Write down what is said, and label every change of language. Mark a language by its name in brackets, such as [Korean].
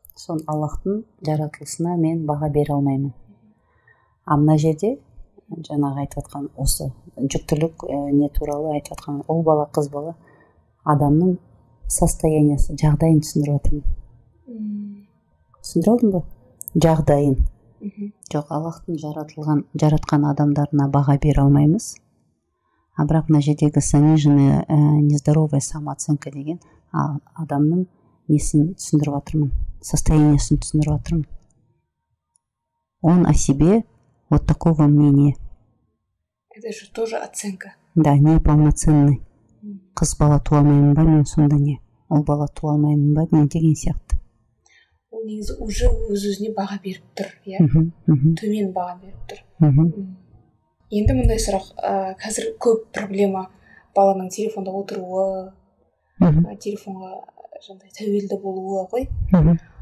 [Kazakh] Сон Аллахтың жаратылысына мен баға бере алмаймын. А мына жерде жаңағы айтып отқан осы жүктілік не туралы айтып отқан ол бала, қыз бала адамның состояниесі, жағдайын түсіндіріп отырмын. Түсіндіріп отырмын ба? Жағдайын. Жоқ, Аллахтың жаратылған, жаратқан адамдарына баға бере алмаймыз. А бірақ мына жердегі [Russian] саниженная, нездоровая самооценка [Kazakh] деген адамның несін түсіндіріп отырмын, состояниесін түсіндіріп отырмын. [Russian] Он о себе вот такого мнения. Это же тоже оценка. Да, неполноценный. [Kazakh] Қыз бала туа алмаймын ба, мен сонда не? Ол бала туа алмаймын ба, не деген сияқты. Ол негізі уже өз-өзіне баға беріп тұр, иә? Төмен баға беріп тұр. Енді мұндай сұрақ, қазір көп проблема баланың телефонда отыруы, телефонға жандай тәуелді болуы ғой.